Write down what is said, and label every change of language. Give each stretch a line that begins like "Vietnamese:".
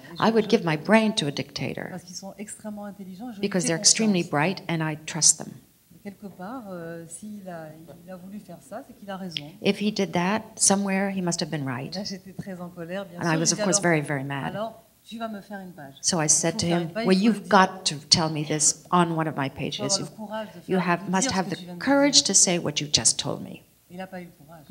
English: I would give my brain to a dictator.
French: Parce qu'ils sont extrêmement intelligents.
English: Because they're extremely bright and I trust them.
French: Ok, quelque part, s'il a, il a voulu faire ça, c'est qu'il a raison.
English: If he did that somewhere, he must have been right.
French: Là, j'étais très en colère, bien
English: and
French: sûr.
English: I was of course very, very mad.
French: Alors, tu vas me faire une page.
English: So I said to him, well, you've got to tell me this on one of my pages. You have, must have the courage to say what you just told me.
French: Il a pas eu le courage.